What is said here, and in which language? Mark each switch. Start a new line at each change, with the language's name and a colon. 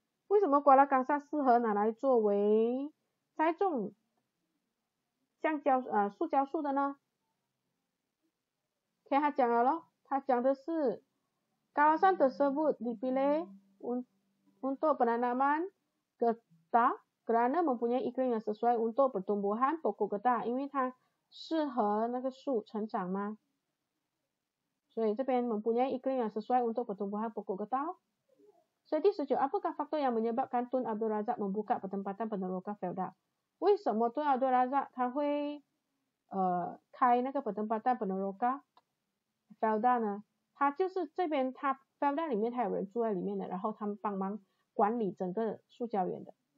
Chinese: 为什么 Kuala Kangsar 适合拿来作为栽种 橡胶, 塑胶树的呢? 可以他讲了咯, 他讲的是
Malay: kawasan tersebut dipilih untuk penanaman getah kerana mempunyai iklim yang sesuai untuk pertumbuhan pokok getah,
Chinese: 因为它适合那个树成长吗? 所以这边
Malay: mempunyai iklim yang sesuai untuk pertumbuhan pokok getah. So, 19. Apakah faktor yang menyebabkan Tun Abdul Razak membuka pertempatan penerokan feudal?
Chinese: 为什么 Tun Abdul Razak 他会 开那个
Malay: pertempatan penerokan feudal
Chinese: 呢? 他就是这边 他 feudal 里面他有人住在里面的, 然后他们帮忙管理整个塑胶园的。